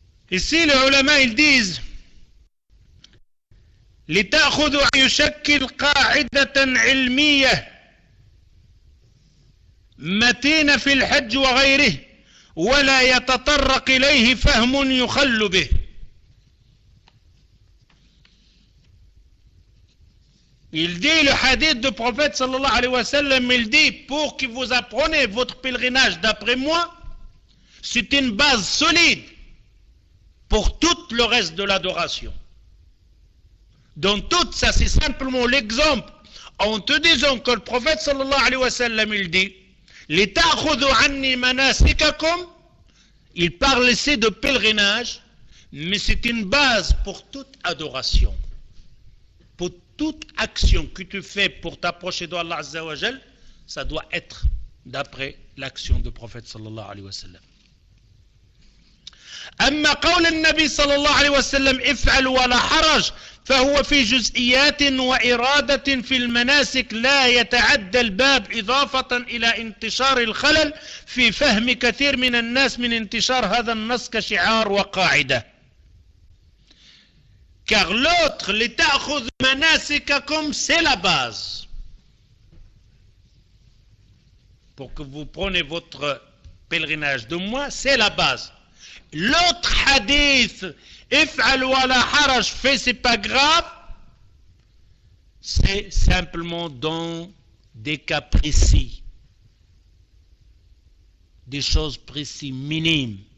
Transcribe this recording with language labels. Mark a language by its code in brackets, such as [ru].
[fr] Ici, les ulama, ils disent [ar] لتأخذ أن يشكل قاعدة علمية متينة في الحج وغيره ولا يتطرق إليه فهم يخل به. [fr] Il dit le hadith du prophète sallallahu alayhi wa sallam, il dit, pour que vous appreniez votre pèlerinage d'après moi, c'est une base solide pour tout le reste de l'adoration. Dans tout ça, c'est simplement l'exemple. En te disant que le prophète sallallahu alayhi wa sallam, il dit, « [ar] لِتَأْخُذُ عَنِّي مَنَاسِكَكُمْ [fr] » Il parle ici de pèlerinage, mais c'est une base pour toute adoration. Pour toute action que tu fais pour t'approcher d'Allah Azza wa Jal, ça doit être d'après l'action du prophète sallallahu alayhi wa sallam. [ar] أما قول النبي صلى الله عليه وسلم افعل ولا حرج فهو في جزئيات وإرادة في المناسك لا يتعدى الباب إضافة إلى انتشار الخلل في فهم كثير من الناس من انتشار هذا النص كشعار وقاعدة. [fr] Car l'autre [ar] لتأخذ مناسككم [fr] c'est la base. Pour que vous preniez votre pèlerinage de moi, c'est la base. L'autre hadith, [ar] if'al wa la haraj, [fr] fais, c'est pas grave, c'est simplement dans des cas précis, des choses précises, minimes.